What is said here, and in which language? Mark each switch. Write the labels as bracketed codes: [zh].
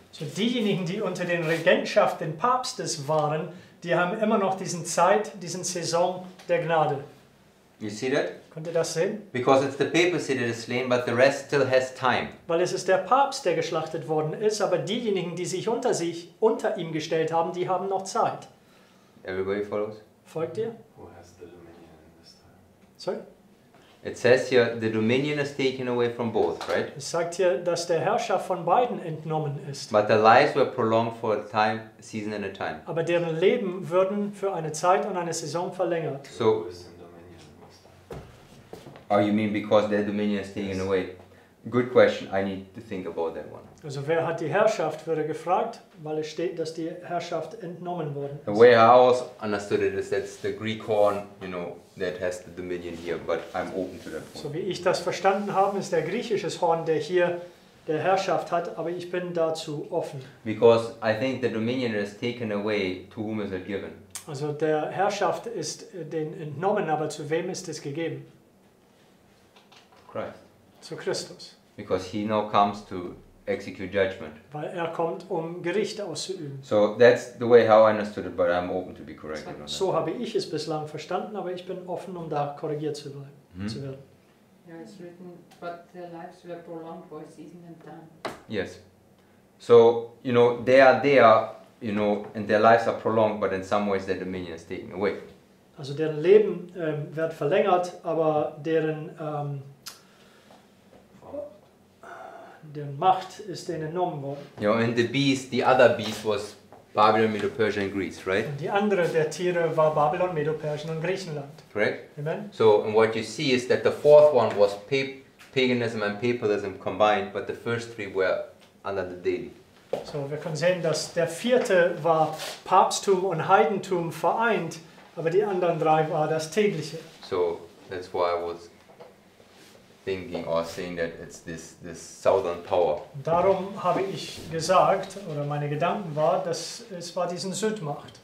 [de] So diejenigen, die unter den Regentschaft des Papstes waren, die haben immer noch diesen Zeit, diesen Saison der Gnade. [en] You see that? [de] Könnt ihr das sehen? [en] Because it's the papacy that is slain, but the rest still has time. [de] Weil es ist der Papst, der geschlachtet worden ist, aber diejenigen, die sich unter sich, unter ihm gestellt haben, die haben noch Zeit. [en] Everybody follows? [de] Folgt ihr? [en] Who has the dominion in this time? Sorry? It says here the dominion is taken away from both, right? [de] Es sagt hier, dass der Herrscher von beiden entnommen ist. [en] But their lives were prolonged for a time, season and a time. [de] Aber deren Leben würden für eine Zeit und eine Saison verlängert. [en] So, oh, you mean because their dominion is taken away? Good question. I need to think about that one. [de] Also, wer hat die Herrschaft, würde gefragt, weil es steht, dass die Herrschaft entnommen worden ist. [en] The way I always understood it is that's the Greek horn, you know, that has the dominion here, but I'm open to that point. [de] So wie ich das verstanden habe, ist der griechische Horn, der hier der Herrschaft hat, aber ich bin dazu offen. [en] Because I think the dominion is taken away, to whom is it given? [de] Also der Herrschaft ist den entnommen, aber zu wem ist es gegeben? [en] Christ. [de] Zu Christus. [en] Because he now comes to execute judgment. [de] Weil er kommt, um Gericht auszuüben. [en] So that's the way how I understood it, but I'm open to be corrected. [de] So habe ich es bislang verstanden, aber ich bin offen, um da korrigiert zu werden. [en] Yeah, it's written, but their lives were prolonged for a season and time. Yes. So, you know, they are there, you know, and their lives are prolonged, but in some ways their dominion is taken away. [de] Also deren Leben wird verlängert, aber deren der Macht ist denen entnommen worden. [en] You know, and the beast, the other beast was Babylon, Medo-Persia and Greece, right? [de] Und die andere der Tiere war Babylon, Medo-Persia und Griechenland. [en] Correct? Amen. So, and what you see is that the fourth one was paganism and papalism combined, but the first three were under the deity. [de] So, wir können sehen, dass der vierte war Papsttum und Heidentum vereint, aber die anderen drei war das tägliche. [en] So, that's why I was thinking or saying that it's this southern power. [de] Darum habe ich gesagt, oder meine Gedanken war, dass es war diesen Südmacht.